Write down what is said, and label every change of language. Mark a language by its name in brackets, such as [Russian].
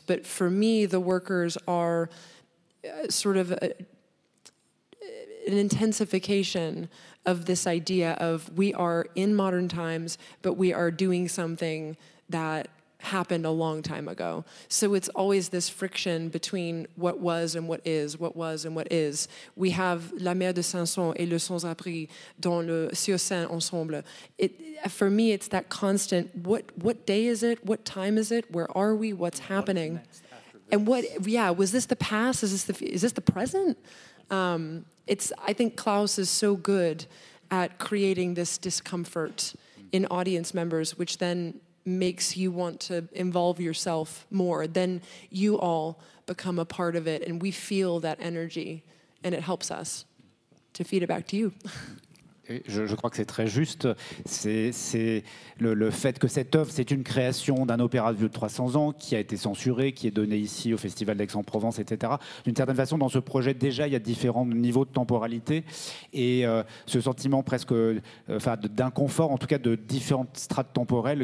[English] But for me, the workers are sort of an intensification of this idea of we are in modern times, but we are doing something that happened a long time ago. So it's always this friction between what was and what is, what was and what is. [French] We have La Mère de Sanson et Le Sans-Abri dans le Sur-Seine Ensemble. [English] For me, it's that constant, what day is it? What time is it? Where are we? What's happening? And what, yeah, was this the past? Is this the present? I think Klaus is so good at creating this discomfort in audience members, which then makes you want to involve yourself more. Then you all become a part of it, and we feel that energy, and it helps us to feed it back to you. [French] Je crois que c'est très juste. C'est le fait que cette œuvre, c'est une création d'un opéra de vieux de 300 ans qui a été censuré, qui est donné ici au Festival d'Aix-en-Provence, etc. D'une certaine façon, dans ce projet, déjà, il y a différents niveaux de temporalité et ce sentiment presque d'inconfort, en tout cas de différentes strates temporelles.